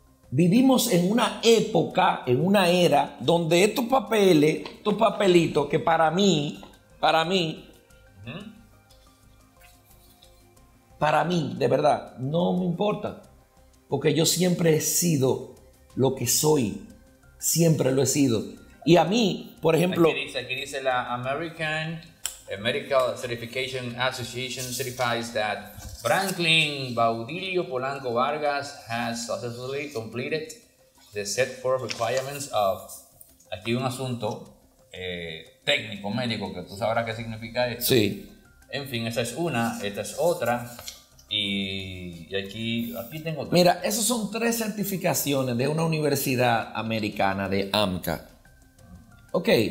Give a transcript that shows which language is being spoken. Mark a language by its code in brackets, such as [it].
[es] Vivimos en una época, en una era, donde estos papeles, estos papelitos, que para mí, para mí, de verdad, no me importa. Porque yo siempre he sido lo que soy. Siempre lo he sido. Y a mí, por ejemplo... Aquí dice la [en] American Medical Certification Association certifies that Franklin Baudilio Polanco Vargas has successfully completed the set for requirements of... [es] Aquí un asunto técnico, médico, que tú sabrás qué significa esto. Sí. En fin, esa es una, esta es otra. Y aquí tengo otra. Mira, esas son tres certificaciones de una universidad americana de AMCA. Ok.